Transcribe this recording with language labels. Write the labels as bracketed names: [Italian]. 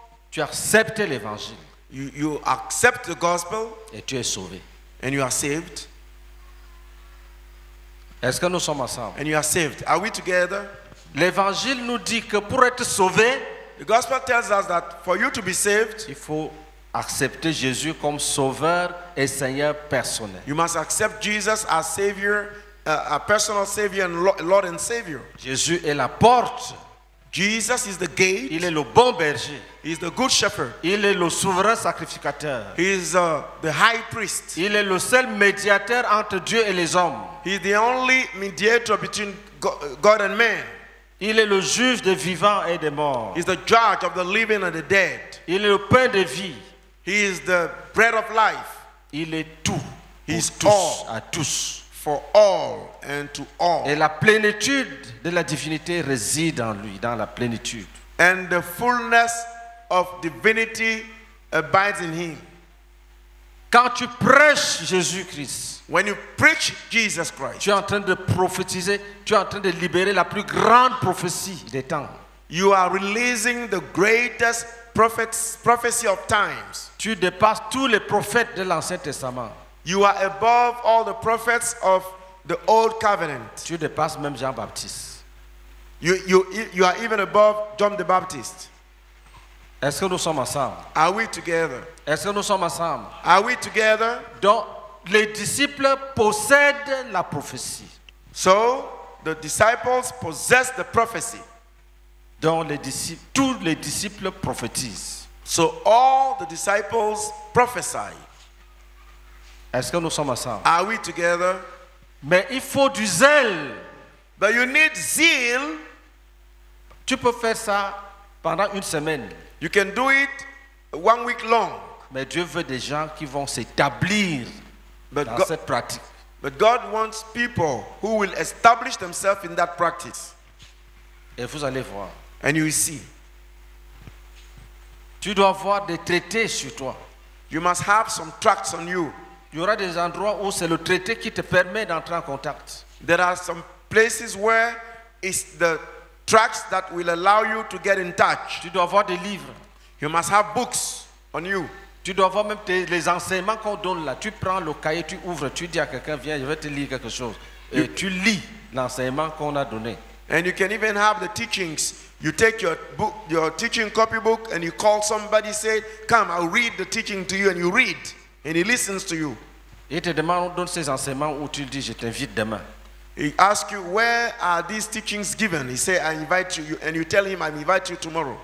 [French] tu acceptes l'évangile, [English] you accept the gospel, [French] et tu es sauvé, [English] and you are saved. [French] Est-ce que nous sommes ensemble? [English] And you are saved. Are we together? [French] L'évangile nous dit que pour être sauvé, [English] the gospel tells us that for you to be saved, [French] il faut accepter Jésus comme sauveur et Seigneur personnel. [English] You must accept Jesus as Savior, a personal Savior and Lord and Savior. [French] Jésus est la porte. [English] Jesus is the gate. [French] Il est le bon berger. [English] He is the good shepherd. [French] Il est le souverain sacrificateur. [English] He is the high priest. [French] Il est le seul médiateur entre Dieu et les hommes. [English] He is the only mediator between God and man. [French] Il est le juge des vivants et des morts. [English] He is the judge of the living and the dead. [French] Il est le pain de vie. [English] He is the bread of life. [French] Il est tout. [English] He is [French] tous, à tous. [English] For all and to all. [French] Et la plénitude de la divinité réside en lui, dans la plénitude. [English] And the fullness of divinity abides in him. [French] Quand tu prêches Jésus-Christ, [English] when you preach Jesus Christ, [French] tu es en train de prophétiser, tu es en train de libérer la plus grande prophétie des temps. [English] You are releasing the greatest prophecy of times. [French] Tu dépasses tous les prophètes de l'Ancien Testament. [English] You are above all the prophets of the old covenant. [French] Tu dépasses même Jean-Baptiste. [English] You are even above John the Baptist. [French] Est-ce que nous sommes ensemble? [English] Are we together? [French] Est-ce que nous sommes ensemble? [English] Are we together? [French] Donc, les disciples possèdent la prophétie. [English] So, the disciples possess the prophecy. [French] Donc, tous les disciples prophétisent. [English] So, all the disciples prophesy. [French] Est-ce que nous sommes ensemble? [English] Are we together? [French] Mais il faut du zèle. [English] But you need zeal. [French] Tu peux faire ça pendant une semaine. [English] You can do it 1 week long. [French] Mais Dieu veut des gens qui vont s'établir dans cette pratique. [English] But God wants people who will establish themselves in that practice. [French] Et vous allez voir. [English] And you see. [French] Tu dois avoir des traités sur toi. [English] You must have some tracts on you. [French] Il y aura des endroits où c'est le traité qui te permet d'entrer en contact. [English] There are some places where it's the tracts that will allow you to get in touch. [French] Tu dois avoir des livres. [English] You must have books on you. [French] Tu dois avoir même les enseignements qu'on donne là. Tu prends le cahier, tu ouvres, tu dis à quelqu'un, viens, je vais te lire quelque chose. Et tu lis l'enseignement qu'on a donné. [English] And you can even have the teachings You take your book, your teaching copy book, and you call somebody, say, come, I'll read the teaching to you, and you read, and he listens to you. [French] Il te demande où donne ces enseignements où tu dis je t'invite demain. [English] He asks you where are these teachings given. He says I invite you, and you tell him I invite you tomorrow.